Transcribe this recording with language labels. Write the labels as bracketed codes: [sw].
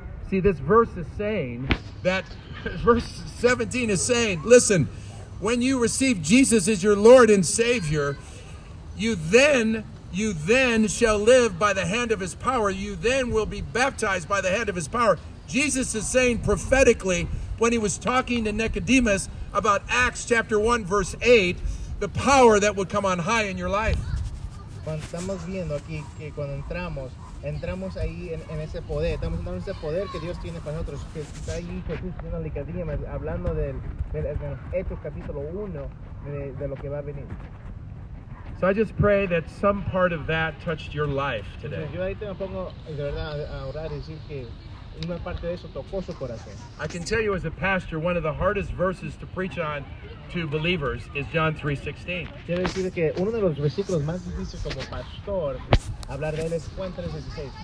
[en] See, this verse is saying that verse 17 is saying, listen, when you receive Jesus as your Lord and Savior, you then shall live by the hand of His power. You then will be baptized by the hand of His power. Jesus is saying prophetically when He was talking to Nicodemus about Acts chapter 1 verse 8, the power that would come on high in your life. [es] Cuando estamos viendo aquí que cuando entramos ahí en ese poder, estamos entrando en ese poder que Dios tiene para nosotros, que está ahí Jesús en Nicodemus hablando del Hechos capítulo 1 de lo que va a venir. [en] So I just pray that some part of that touched your life today. I can tell you as a pastor, one of the hardest verses to preach on to believers is John 3:16.